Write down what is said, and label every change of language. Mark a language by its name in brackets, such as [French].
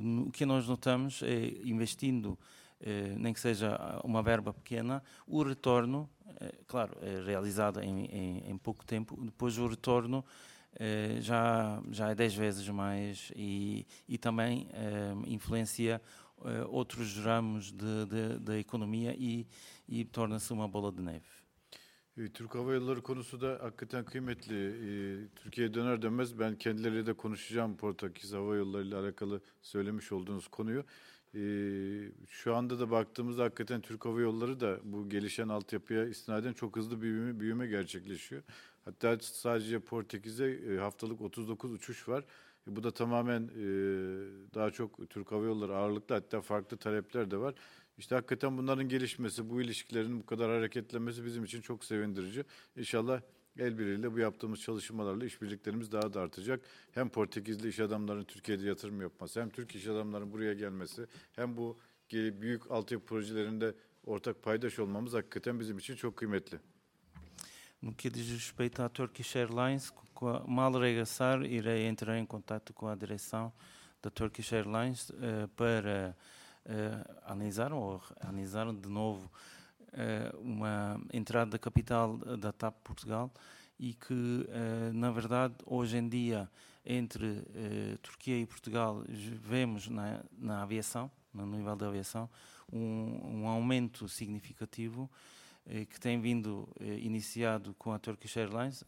[Portuguese] O que nós notamos é investindo nem que seja uma verba pequena, o retorno, claro, é realizado em pouco tempo, depois o retorno já é 10 vezes mais e também influencia outros ramos da economia e torna-se uma bola de neve. [Turkish] Türk Hava Yolları konusu da hakikaten kıymetli. Türkiye'ye döner dönmez ben kendileriyle de konuşacağım Portekiz Hava Yolları ile alakalı söylemiş olduğunuz konuyu. Şu anda da baktığımızda hakikaten Türk Hava Yolları da bu gelişen altyapıya istinaden çok hızlı bir büyüme gerçekleşiyor. Hatta sadece Portekiz'e haftalık 39 uçuş var. Bu da tamamen daha çok Türk Hava Yolları ağırlıklı, hatta farklı talepler de var. İşte hakikaten bunların gelişmesi, bu ilişkilerin bu kadar hareketlenmesi bizim için çok sevindirici. İnşallah el birliğiyle bu yaptığımız çalışmalarla işbirliklerimiz daha da artacak. Hem Portekizli iş adamlarının Türkiye'de yatırım yapması, hem Türk iş adamlarının buraya gelmesi, hem bu büyük altyapı projelerinde ortak paydaş olmamız hakikaten bizim için çok kıymetli. [Portuguese] No que diz respeito à Turkish Airlines, mal regressar, irei entrar em contato com a direção da Turkish Airlines para analisar de novo uma entrada da capital da TAP Portugal e que, na verdade, hoje em dia, entre Turquia e Portugal, vemos na aviação, no nível da aviação, um aumento significativo que tem vindo iniciado com a Turkish Airlines.